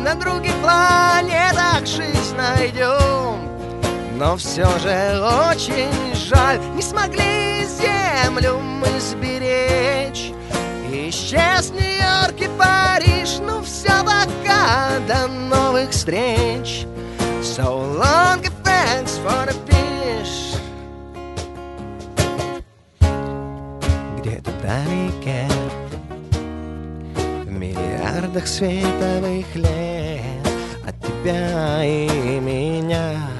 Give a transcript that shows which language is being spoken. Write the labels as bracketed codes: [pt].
[ru] На других планетах жизнь найдем, но все же очень жаль, не смогли землю мы сберечь. Исчез Нью-Йорк и Париж, ну все так. До новых встреч. [en] So long and thanks for the fish. [ru] Где-то далеке, в миллиардах световых лет от тебя и меня.